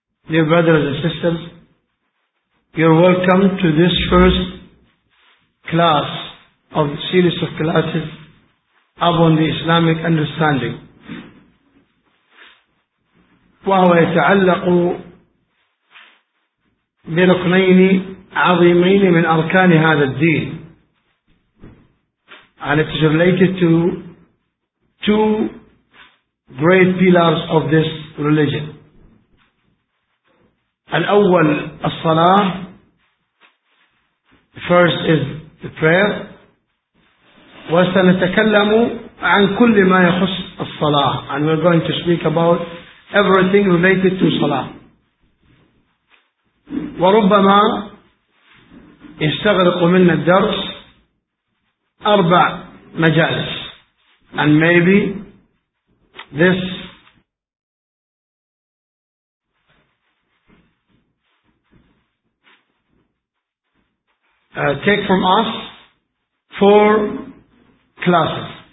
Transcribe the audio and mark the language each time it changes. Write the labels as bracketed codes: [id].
[en] Dear brothers and sisters, you're welcome to this first class of the series of classes upon the Islamic understanding. [ar] وهو يتعلق بركنين عظيمين من أركان هذا الدين. [en] And it is related to two great pillars of this religion. [ar] الأول الصلاة. [en] First is the prayer. [ar] وسنتكلم عن كل ما يخص الصلاة. [en] And we're going to speak about everything related to salah. [ar] وربما يستغرق منا الدرس أربع مجالس. [en] And maybe this take from us four classes.